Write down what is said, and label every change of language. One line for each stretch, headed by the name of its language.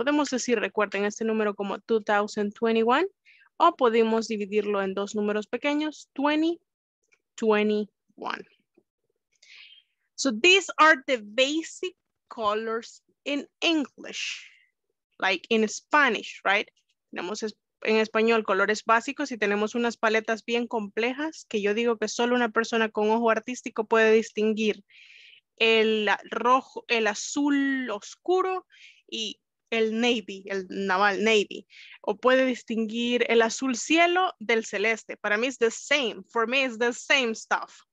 Spanish: Podemos decir, recuerden este número como 2021. O podemos dividirlo en dos números pequeños, 20, 21.
English: So these are the basic colors in English, like in Spanish, right?
Spanish: Tenemos en español colores básicos y tenemos unas paletas bien complejas que yo digo que solo una persona con ojo artístico puede distinguir el rojo, el azul oscuro y el navy, el naval navy, o puede distinguir el azul cielo del celeste. Para mí es
English: the same, for me it's the same stuff.